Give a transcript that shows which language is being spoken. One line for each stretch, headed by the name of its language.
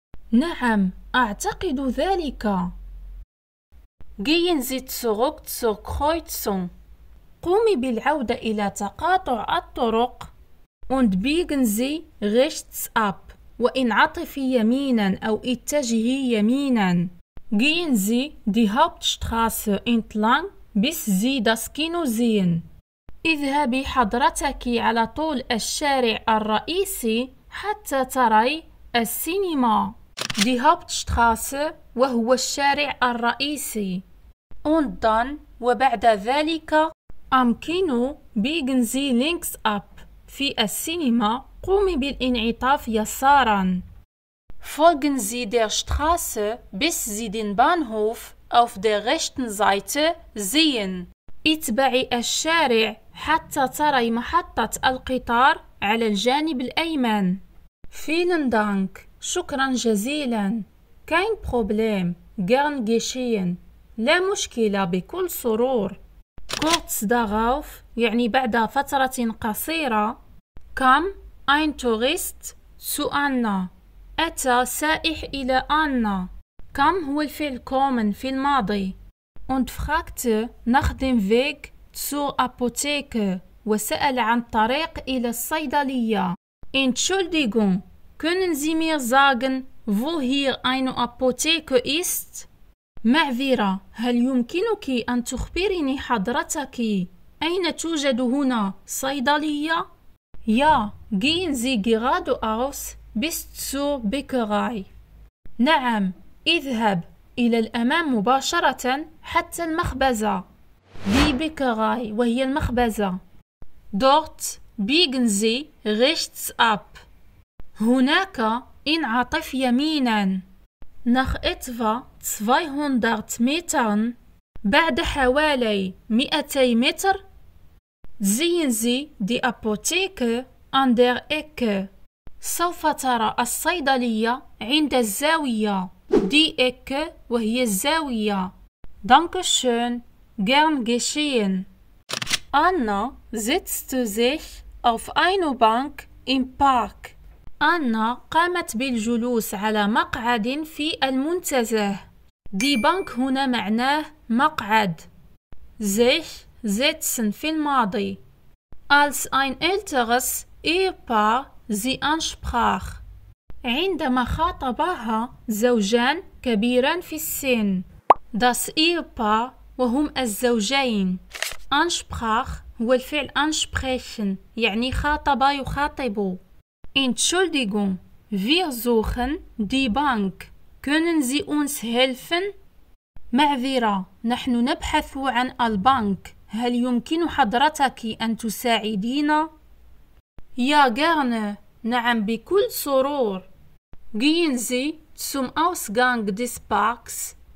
Arabic: نعم، أعتقد ذلك.
German: Gehen Sie zurück zur Kreuzung.
Arabic: قومي بالعودة إلى تقاطع الطرق.
German: Und biegen Sie rechts ab.
Arabic: وانعطفي يمينا أو اتجهي يمينا.
German: Gehen Sie die Hauptstraße entlang, bis Sie das Kino sehen.
Arabic: اذهبي حضرتك على طول الشارع الرئيسي حتى تري السينما.
German: Die Hauptstraße,
Arabic: وهو الشارع الرئيسي.
German: Und dann,
Arabic: وبعد ذلك,
German: am Kino biegen Sie links ab.
Arabic: في السينما قومي بالانعطاف يسارا.
German: Folgen Sie der Straße, bis Sie den Bahnhof auf der rechten Seite sehen.
Arabic: اتبعي الشارع حتى تري محطة القطار على الجانب الأيمن.
German: Vielen Dank.
Arabic: شكرا جزيلا.
German: Kein Problem. Gern geschehen.
Arabic: لا مشكلة، بكل سرور.
German: Kurz darauf
Arabic: يعني بعد فترة قصيرة.
German: Kam ein Tourist zu Anna.
Arabic: أتى سائح إلى أنا. كم هو الفعل kommen في الماضي.
German: Und fragte nach dem Weg zur Apotheke.
Arabic: وسأل عن طريق إلى الصيدلية.
German: Entschuldigung, können Sie mir sagen, wo hier eine Apotheke ist?
Arabic: معذرة، هل يمكنك أن تخبرني حضرتك أين توجد هنا صيدلية؟ يا،
German: gehen Sie geradeaus bis zur Bäckerei.
Arabic: نعم، اذهب إلى الأمام مباشرة حتى المخبزة.
German: Die Bäckerei،
Arabic: وهي المخبزة.
German: Dort biegen Sie rechts ab.
Arabic: هناك انعطف يمينا.
German: Nach etwa 200 Metern.
Arabic: بعد حوالي 200 متر.
German: Sehen Sie die Apotheke an der Ecke.
Arabic: سوف ترى الصيدلية عند الزاوية.
German: Die Ecke,
Arabic: وهي الزاوية.
German: Dankeschön. Gern geschehen. Anna setzte sich auf eine Bank im Park.
Arabic: أنا قامت بالجلوس على مقعد في المنتزه.
German: Die Bank
Arabic: هنا معناه مقعد.
German: Sich setzen
Arabic: في الماضي.
German: Als ein älteres Ehepaar sie ansprach.
Arabic: عندما خاطبها زوجان كبيران في السن.
German: Das Ehepaar,
Arabic: وهم الزوجين. Ansprach هو الفعل ansprechen يعني خاطب يخاطب.
German: Entschuldigung, wir suchen die Bank. Können Sie uns helfen?
Arabic: معذرة، نحن نبحث عن البنك. هل يمكن حضرتك أن تساعدينا؟
German: Ja, gerne.
Arabic: نعم، بكل سرور.
German: Gehen Sie zum Ausgang des Parks.